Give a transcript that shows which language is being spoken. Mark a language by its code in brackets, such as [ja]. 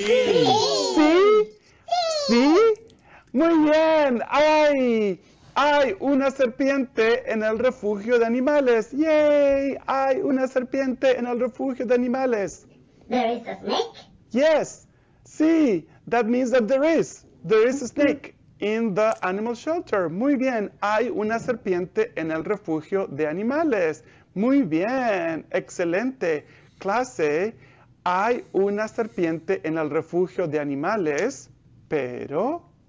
[es] ¡Sí! ¿Sí? ¡Sí! ¿Sí? ¡Muy bien! ¡Ay! ¡Hay una serpiente en el refugio de animales! ¡Yay! ¡Hay una serpiente en el refugio de animales! [en] ¿There is a snake? ¡Yes! ¡Sí! That means that there is. There is a snake in the animal shelter. [es] ¡Muy bien! ¡Hay una serpiente en el refugio de animales! ¡Muy bien! ¡Excelente! Clase, hay una serpiente en el refugio de animales, pero...